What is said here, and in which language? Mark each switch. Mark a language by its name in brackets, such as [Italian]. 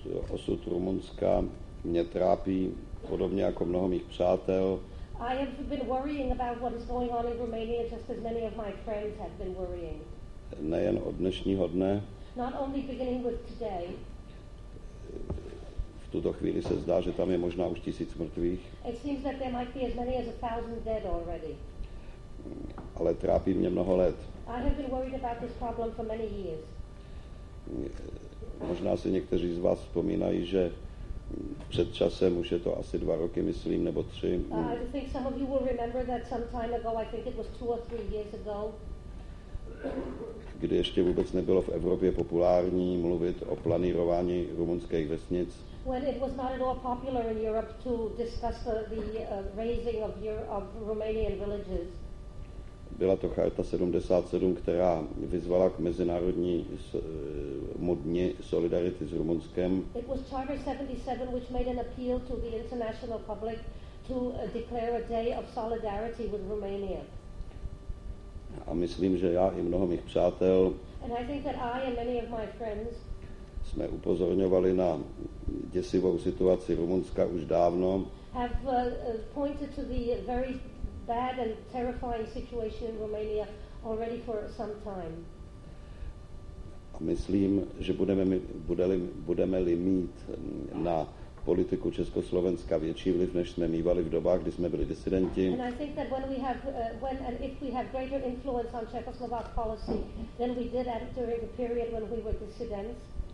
[Czech] Osud Rumunska mě trápí podobně jako mnoho mých přátel. [English] I have been worrying about what is going on in Romania just as many of my friends have been worrying. [Czech] Nejen od dnešního dne. [English] Not only beginning with today. [Czech] V tuto chvíli se zdá, že tam je možná už tisíc mrtvých. [English] It seems that there might be as many as 1,000 dead already. [Czech] Ale trápí mě mnoho let. [English] I have been worried about this problem for many years. [Czech] Možná si někteří z vás vzpomínají, že před časem, už je to asi 2 roky, myslím, nebo 3. [English] I think some of you will remember that some time ago, I think it was 2 or 3 years ago. [Czech] Kdy ještě vůbec nebylo v Evropě populární mluvit o planírování rumunských vesnic. [English] When it was not at all popular in Europe to discuss the raising of Romanian villages. [Czech] Byla to Charta 77, která vyzvala k mezinárodní dni solidarity s Rumunskem. [English] It was Charter 77 which made an appeal to the international public to declare a day of solidarity with Romania. [Czech] A myslím, že já i mnoho mých přátel. [English] And I think that I and many of my friends [Czech] jsme upozorňovali na děsivou situaci Rumunska už dávno. [English] Have pointed to the very bad and terrifying situation in Romania already for some time. [Czech] A myslím, že budeme-li mít na politiku Československa větší vliv, než jsme mývali v dobách, kdy jsme byli disidenti. [English] And I think that when we have when and if we have greater influence on Czechoslovak policy than we did during the period when we were dissidents.